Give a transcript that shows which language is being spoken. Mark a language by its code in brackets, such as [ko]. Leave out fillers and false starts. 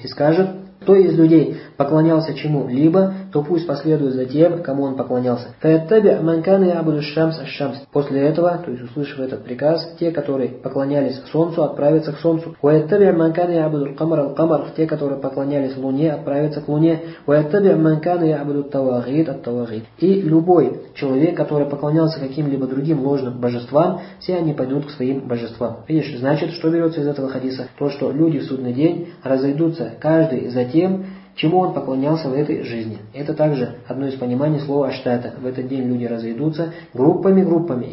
[ru] И скажет: кто из людей поклонялся чему-либо, то пусть последует за тем, кому он поклонялся. [ar] فَيَتَّبِعْ مَنْ كَانَ يَعْبُدُ الشَّمْسَ الشَّمْسَ. [ru] После этого, то есть услышав этот приказ, те, которые поклонялись солнцу, отправятся к солнцу. [ar] وَيَتَّبِعْ مَنْ كَانَ يَعْبُدُ الْقَمَرَ الْقَمَرَ. [ru] Те, которые поклонялись луне, отправятся к луне. [ar] وَيَتَّبِعْ مَنْ كَانَ يَعْبُدُ التَّوَاغِيتَ التَّوَاغِيتَ. [ru] И любой человек, который поклонялся каким-либо другим ложным божествам, все они пойдут к своим божествам. Видишь, значит, что берется из этого хадиса? То, что люди в судный день разойдутся каждый за тем, чему он поклонялся в этой жизни. Это также одно из пониманий слова «аштата». В этот день люди разойдутся группами, группами.